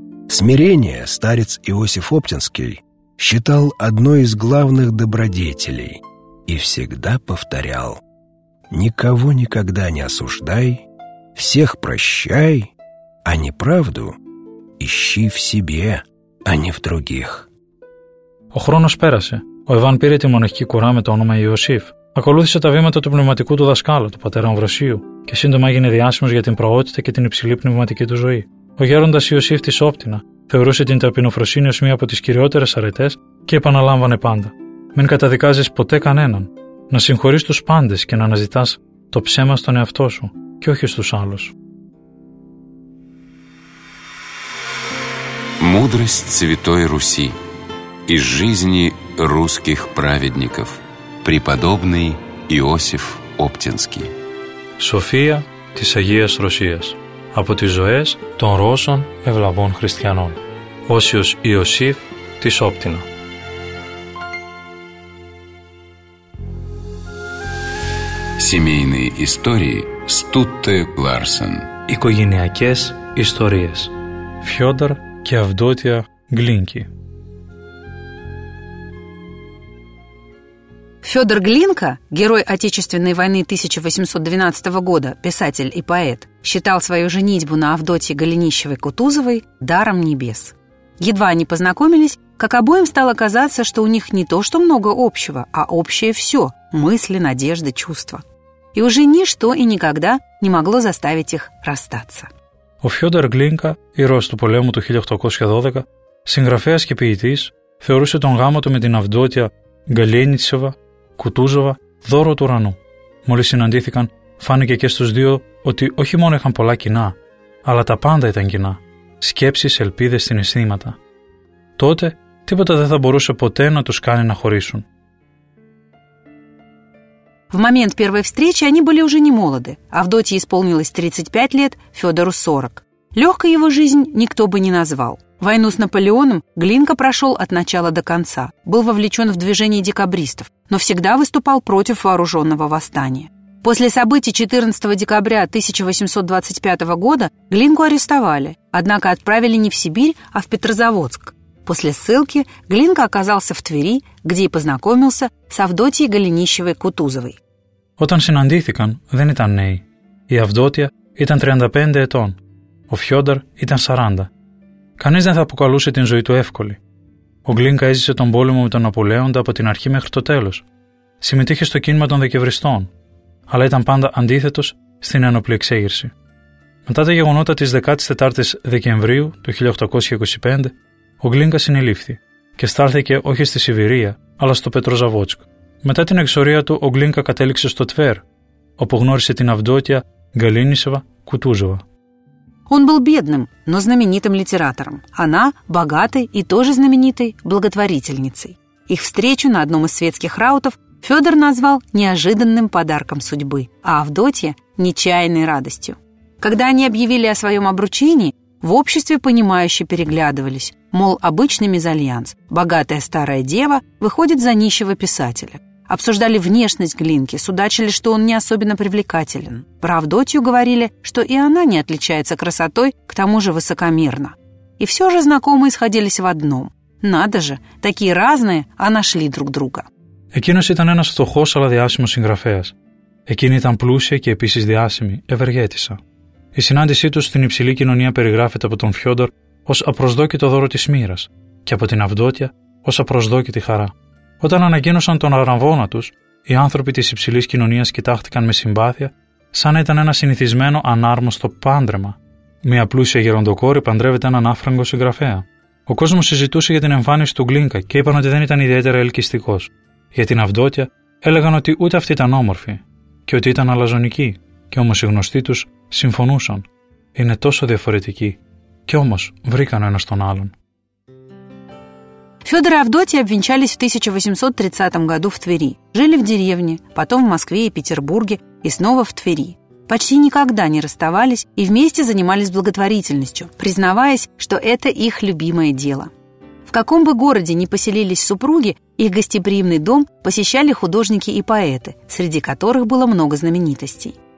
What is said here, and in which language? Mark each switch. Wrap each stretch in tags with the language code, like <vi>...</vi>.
<ru>Смирение старец Иосиф Оптинский считал одной из главных добродетелей и всегда повторял: «Никого никогда не осуждай, всех прощай, а неправду ищи в себе, а не в других».</ru> <el>Ο χρόνος πέρασε. Ο Ιβάν πήρε τη μοναχική κουρά με το όνομα Ιωσήφ. Ακολούθησε τα βήματα του πνευματικού του δασκάλου, του πατέρα Αμβροσίου, και σύντομα έγινε διάσημος για την προότητα και την υψηλή πνευματική του ζωή. Ο γέροντας Ιωσήφ της Όπτινα θεωρούσε την ταπεινοφροσύνη ως μία από τις κυριότερες αρετές και επαναλάμβανε πάντα: «Μην καταδικάζεις ποτέ κανέναν. Να συγχωρείς τους πάντες και να αναζητάς το ψέμα στον εαυτό σου και όχι στους άλλους».</el> <ru>Мудрость Святой Руси из жизни русских праведников. Преподобный Иосиф Оптинский.</ru> <el>София της Агίας Ρωσίας. Από τις ζωές των Ρώσων ευλαβών χριστιανών. Όσιος Ιωσήφ της Όπτινα.</el> <ru>Семейные истории Стутте Ларсен.</ru> <el>Οικογενειακές ιστορίες. Φιόντορ και Αυδότια Γκλίνκι.</el> <ru>Фёдор Глинка, герой Отечественной войны 1812 года, писатель и поэт, считал свою женитьбу на Авдотье Голенищевой-Кутузовой даром небес. Едва они познакомились, как обоим стало казаться, что у них не то что много общего, а общее все – мысли, надежды, чувства. И уже ничто и никогда не могло заставить их расстаться.</ru> <el>Ο Фьодор Γκλίνκα, ήρωας του πολέμου του 1812, συγγραφέας και ποιητής, θεωρούσε τον γάμο του με την Αυδότια Γκαλένιτσεβα Κουτούζοβα δώρο του ουρανού. Μόλις συναντήθηκαν, φάνηκε και στους δύο ότι όχι μόνο είχαν πολλά κοινά, αλλά τα πάντα ήταν κοινά. Σκέψεις, ελπίδες, συναισθήματα. Τότε τίποτα δεν θα μπορούσε ποτέ να τους κάνει να χωρίσουν.</el> <ru>В момент первой встречи они были уже не молоды. Авдотье исполнилось 35 лет, Фёдору 40. Лёгкой его жизнь никто бы не назвал. Войну с Наполеоном Глинка прошёл от начала до конца. Был вовлечён в движение декабристов, но всегда выступал против вооружённого восстания. После событий 14 декабря 1825 года Глинку арестовали, однако отправили не в Сибирь, а в Петрозаводск. После ссылки Глинка оказался в Твери, где и познакомился с Авдотьей Голенищевой-Кутузовой.</ru> <el>Όταν συναντήθηκαν, δεν ήταν νέοι. Η Αυδότια ήταν 35 ετών. Ο Φιόντορ ήταν 40. Κανείς δεν θα αποκαλούσε την ζωή του εύκολη. Ο Γκλίνκα έζησε τον πόλεμο με τον Ναπολέοντα από την αρχή μέχρι το τέλος. Συμμετείχε στο κίνημα των Δεκεμβριστών, αλλά ήταν πάντα αντίθετος στην ένοπλη εξέγερση. Μετά τα γεγονότα της 14ης Δεκεμβρίου του 1825, ο Γκλίνκα συνελήφθη και στάλθηκε όχι στη Σιβηρία, αλλά στο Πετροζαβότσκ. Μετά την εξορία του, ο Γκλίνκα κατέληξε στο Τβέρ, όπου γνώρισε την Αυδότια Γκαλίνισεβα Κουτούζοβα.</el> <ru>Он был бедным, но знаменитым литератором. Она богатой и тоже знаменитой благотворительницей. Их встречу на одном из светских раутов Фёдор назвал неожиданным подарком судьбы, а Авдотья – нечаянной радостью. Когда они объявили о своём обручении, в обществе понимающе переглядывались, мол, обычный мезальянс, богатая старая дева, выходит за нищего писателя. Обсуждали внешность Глинки, судачили, что он не особенно привлекателен. Про Авдотью говорили, что и она не отличается красотой, к тому же высокомерна. И все же знакомые сходились в одном. Надо же, такие разные, а нашли друг друга.</ru> <el>Εκείνος ήταν ένας φτωχός, αλλά διάσημος συγγραφέας. Εκείνη ήταν πλούσια και επίσης διάσημη, ευεργέτησα. Η συνάντησή τους στην υψηλή κοινωνία περιγράφεται από τον Φιόντορ ως απροσδόκητο δώρο της μοίρας και από την Αυδότια ως απροσδόκητη χαρά. Όταν ανακοίνωσαν τον αραβόνα τους, οι άνθρωποι της υψηλής κοινωνίας κοιτάχτηκαν με συμπάθεια, σαν να ήταν ένα συνηθισμένο ανάρμοστο πάντρεμα. Μια πλούσια γεροντοκόρη παντρεύεται έναν άφραγκο συγγραφέα. Ο κόσμος συζητούσε για την εμφάνιση του Γκλίνκα και είπαν ότι δεν ήταν ιδιαίτερα ελκυστικός. Για την Αυδότια έλεγαν ότι ούτε αυτή ήταν όμορφη και ότι ήταν αλαζονική, και όμως οι γνωστοί τους συμφωνούσαν. Είναι τόσο διαφορετική. Και όμως βρήκαν ένας τον άλλον.</el> <ru>Фёдор и Авдотья обвенчались в 1830 году в Твери. Жили в деревне, потом в Москве и Петербурге и снова в Твери. Почти никогда не расставались и вместе занимались благотворительностью, признаваясь, что это их любимое дело. В каком бы городе ни поселились супруги, их гостеприимный дом посещали художники и поэты, среди которых было много знаменитостей.</ru>